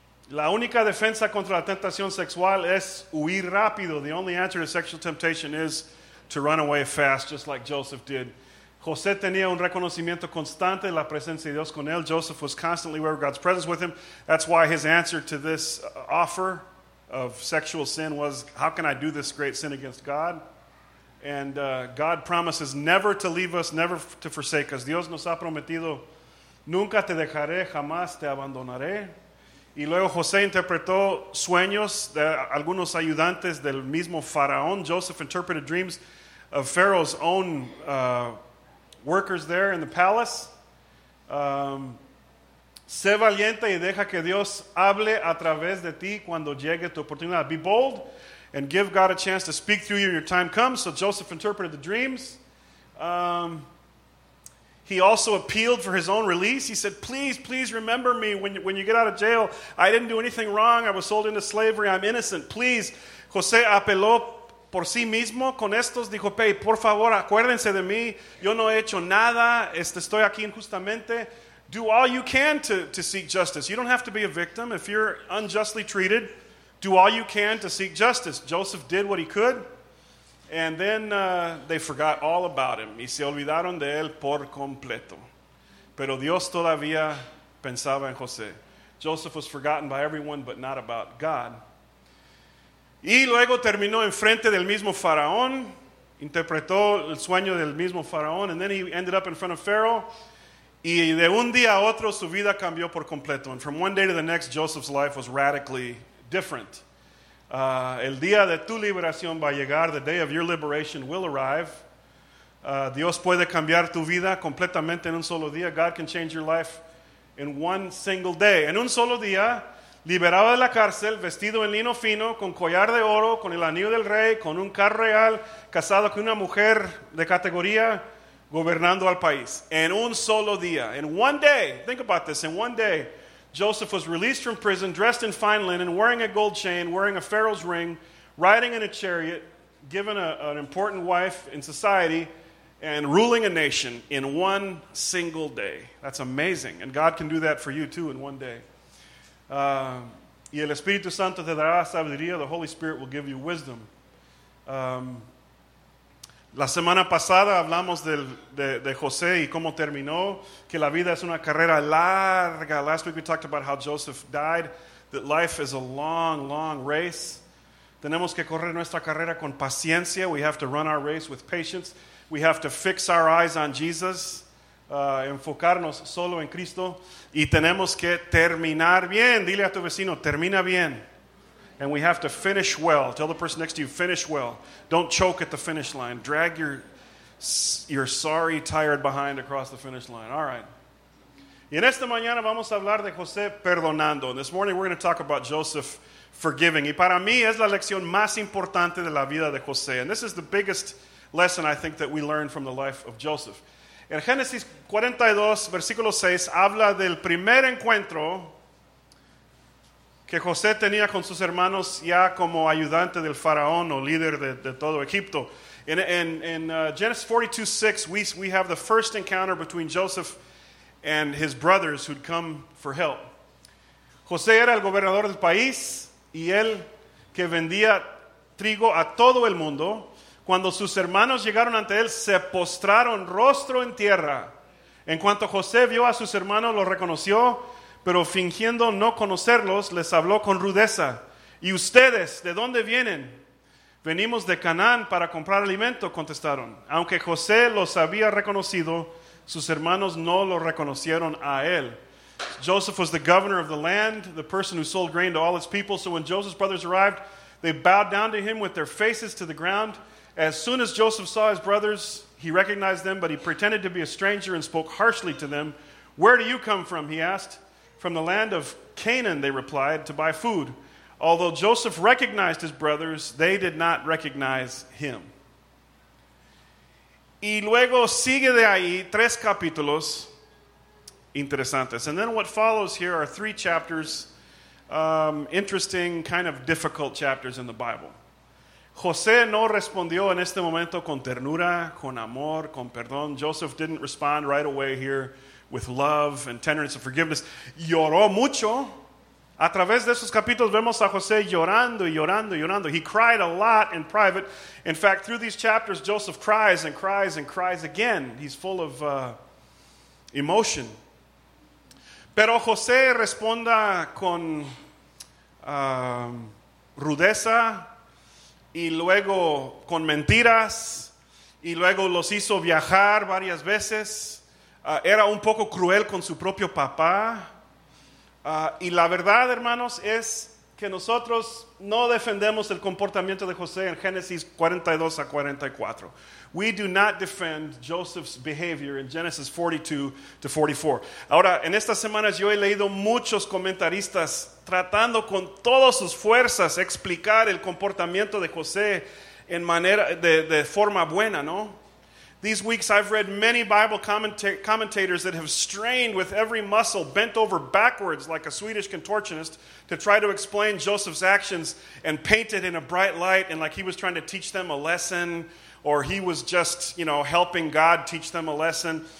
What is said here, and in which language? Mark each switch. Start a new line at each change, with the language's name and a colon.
Spanish: La única defensa contra la tentación sexual es huir rápido.
English: The only answer to sexual temptation is to run away fast, just like Joseph did.
Spanish: José tenía un reconocimiento constante de la presencia de Dios con él.
English: Joseph was constantly aware of God's presence with him. That's why his answer to this offer of sexual sin was, how can I do this great sin against God? And God promises never to leave us, never to forsake us.
Spanish: Dios nos ha prometido, nunca te dejaré, jamás te abandonaré. Y luego José interpretó sueños de algunos ayudantes del mismo faraón.
English: Joseph interpreted dreams of Pharaoh's own workers there in the palace.
Spanish: Sé valiente y deja que Dios hable a través de ti cuando llegue tu oportunidad.
English: Be bold and give God a chance to speak through you when your time comes. So Joseph interpreted the dreams. He also appealed for his own release. He said, please, please remember me when you get out of jail. I didn't do anything wrong. I was sold into slavery. I'm innocent. Please.
Spanish: José apeló por sí mismo con estos. Dijo, hey, por favor, acuérdense de mí. Yo no he hecho nada. Estoy aquí injustamente.
English: Do all you can to seek justice. You don't have to be a victim. If you're unjustly treated, do all you can to seek justice. Joseph did what he could. And then they forgot all about him.
Spanish: Y se olvidaron de él por completo. Pero Dios todavía pensaba en José.
English: Joseph was forgotten by everyone, but not about God.
Spanish: Y luego terminó enfrente del mismo faraón. Interpretó el sueño del mismo faraón.
English: And then he ended up in front of Pharaoh.
Spanish: Y de un día a otro, su vida cambió por completo.
English: And from one day to the next, Joseph's life was radically different.
Spanish: El día de tu liberación va a llegar.
English: The day of your liberation will arrive.
Spanish: Dios puede cambiar tu vida completamente en un solo día.
English: God can change your life in one single day.
Spanish: En un solo día, liberado de la cárcel, vestido en lino fino, con collar de oro, con el anillo del rey, con un carro real, casado con una mujer de categoría, gobernando al país. En un solo día.
English: In one day. Think about this. In one day, Joseph was released from prison, dressed in fine linen, wearing a gold chain, wearing a pharaoh's ring, riding in a chariot, given an important wife in society, and ruling a nation in one single day. That's amazing. And God can do that for you too in one day.
Spanish: Y el Espíritu Santo te dará sabiduría.
English: The Holy Spirit will give you wisdom.
Spanish: La semana pasada hablamos de José y cómo terminó, que la vida es una carrera larga. Last week we talked about how Joseph died, that life is a long, long race. Tenemos que correr nuestra carrera con paciencia.
English: We have to run our race with patience. We have to fix our eyes on Jesus,
Spanish: enfocarnos solo en Cristo. Y tenemos que terminar bien. Dile a tu vecino, termina bien.
English: And we have to finish well. Tell the person next to you, finish well. Don't choke at the finish line. Drag your sorry, tired behind across the finish line. All right.
Spanish: Y en esta mañana vamos a hablar de José perdonando.
English: And this morning we're going to talk about Joseph forgiving.
Spanish: Y para mí es la lección más importante de la vida de José.
English: And this is the biggest lesson, I think, that we learn from the life of Joseph.
Spanish: En Génesis 42, versículo 6, habla del primer encuentro que José tenía con sus hermanos ya como ayudante del faraón o líder de todo Egipto.
English: In Genesis 42:6, we have the first encounter between Joseph and his brothers who'd come for help.
Spanish: José era el gobernador del país y él que vendía trigo a todo el mundo. Cuando sus hermanos llegaron ante él, se postraron rostro en tierra. En cuanto José vio a sus hermanos, lo reconoció, pero fingiendo no conocerlos, les habló con rudeza. ¿Y ustedes, de dónde vienen? Venimos de Canaán para comprar alimento, contestaron. Aunque José los había reconocido, sus hermanos no lo reconocieron a él.
English: Joseph was the governor of the land, the person who sold grain to all his people. So when Joseph's brothers arrived, they bowed down to him with their faces to the ground. As soon as Joseph saw his brothers, he recognized them, but he pretended to be a stranger and spoke harshly to them. Where do you come from? He asked. From the land of Canaan, they replied, to buy food. Although Joseph recognized his brothers, they did not recognize him.
Spanish: Y luego sigue de ahí tres capítulos interesantes.
English: And then what follows here are three chapters, interesting, kind of difficult chapters in the Bible.
Spanish: José no respondió en este momento con ternura, con amor, con perdón.
English: Joseph didn't respond right away here with love and tenderness and forgiveness.
Spanish: Lloró mucho. A través de esos capítulos vemos a José llorando y llorando y llorando.
English: He cried a lot in private. In fact, through these chapters, Joseph cries and cries and cries again. He's full of emotion.
Spanish: Pero José responda con rudeza y luego con mentiras y luego los hizo viajar varias veces. Era un poco cruel con su propio papá. Y la verdad, hermanos, es que nosotros no defendemos el comportamiento de José en Génesis 42 a 44.
English: We do not defend Joseph's behavior in Genesis 42 to 44.
Spanish: Ahora, en estas semanas yo he leído muchos comentaristas tratando con todas sus fuerzas explicar el comportamiento de José en manera de forma buena, ¿no?
English: These weeks I've read many Bible commentators that have strained with every muscle bent over backwards like a Swedish contortionist to try to explain Joseph's actions and paint it in a bright light and like he was trying to teach them a lesson or he was just, you know, helping God teach them a lesson.